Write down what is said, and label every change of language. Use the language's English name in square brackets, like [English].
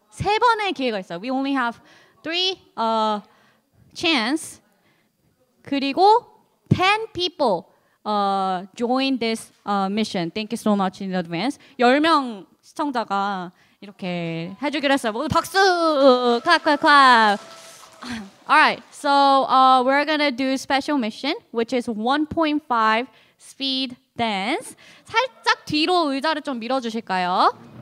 [Korean] 세 번의 기회가 있어요. [English] We only have three chance. 그리고 10 people join this mission. Thank you so much in advance. [Korean] 10명 시청자가 이렇게 해주기로 했어요. 모두 박수! [English] Clap, clap, clap. All right, so we're gonna do special mission, which is 1.5 speed dance. [Korean] 살짝 뒤로 의자를 좀 밀어주실까요?